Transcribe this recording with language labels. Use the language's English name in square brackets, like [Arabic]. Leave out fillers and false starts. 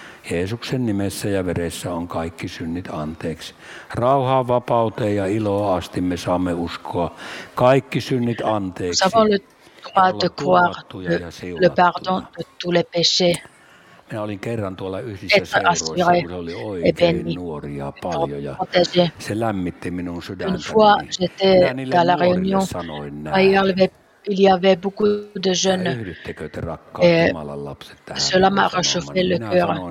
[Finnish] Jeesuksen nimessä ja veressä on kaikki synnit anteeksi. Rauhaa, vapauteen ja iloa asti me saamme uskoa. Kaikki synnit anteeksi. [French] Nous avons le droit de croire le pardon de tous les péchés. [Finnish] Minä olin kerran tuolla yhdessä seuroissa, kun oli oikein nuoria paljon ja se lämmitti minun sydäntäni. [French] Une fois, j'étais à la réunion, il y avait il y avait beaucoup de jeunes. Et cela m'a réchauffé le cœur.